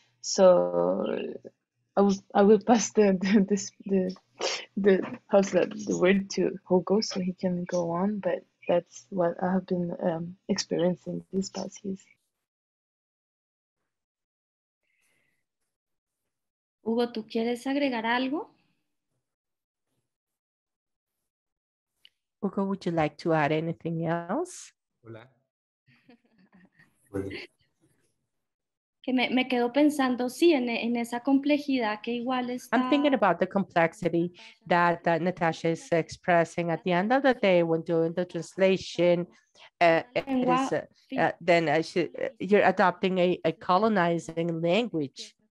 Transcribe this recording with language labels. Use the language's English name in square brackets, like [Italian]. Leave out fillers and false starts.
[English] So I will pass the word to Hugo so he can go on, but that's what I have been experiencing these past years. [Spanish] Hugo, ¿tú quieres agregar algo? [English] Hugo, would you like to add anything else? [Spanish] Hola. Que me quedo pensando, sí, en esa complejidad que igual está... [English] I'm thinking about the complexity that Natasha is expressing at the end of the day when doing the translation. You're adopting a colonizing language.